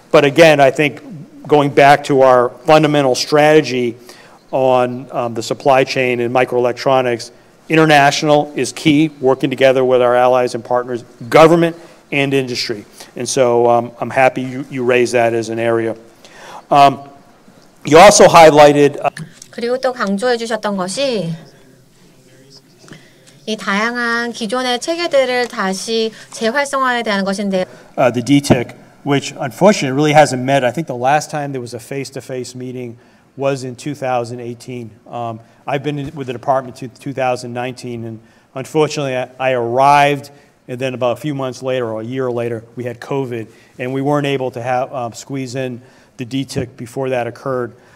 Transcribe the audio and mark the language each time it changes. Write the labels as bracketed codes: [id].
[en] But again, I think going back to our fundamental strategy on the supply chain and microelectronics, international is key, working together with our allies and partners, government and industry. And so I'm happy you raised that as an area. You also highlighted [ko] 그리고 또 강조해 주셨던 것이 이 다양한 기존의 체계들을 다시 재활성화에 대한 것인데 [en] the DTIC, which unfortunately really hasn't met. I think the last time there was a face-to-face meeting was in 2018. I've been with the department since 2019, and unfortunately I arrived, and then about a few months later, or a year later, we had COVID, and we weren't able to have squeeze in the DTIC before that occurred.